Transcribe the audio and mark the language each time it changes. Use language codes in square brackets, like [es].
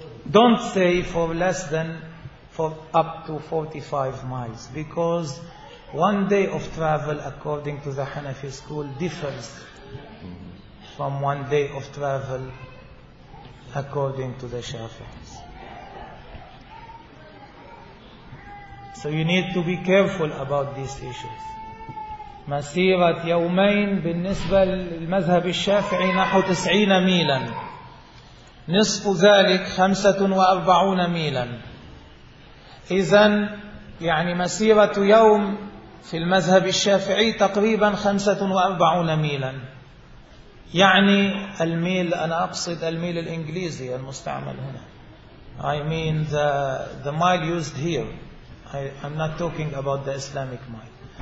[en] Don't say for less than for up to 45 miles, because one day of travel according to the Hanafi school differs from one day of travel according to the Shafi'is. So you need to be careful about these issues. [ar] مسيرة يومين بالنسبة للمذهب الشافعي نحو 90 ميلا، نصف ذلك 45 ميلا. إذن يعني مسيرة يوم في المذهب الشافعي تقريبا 45 ميلا، يعني الميل، أنا أقصد الميل الإنجليزي المستعمل هنا. [en] I mean the mile used here. I'm not talking about the Islamic mile.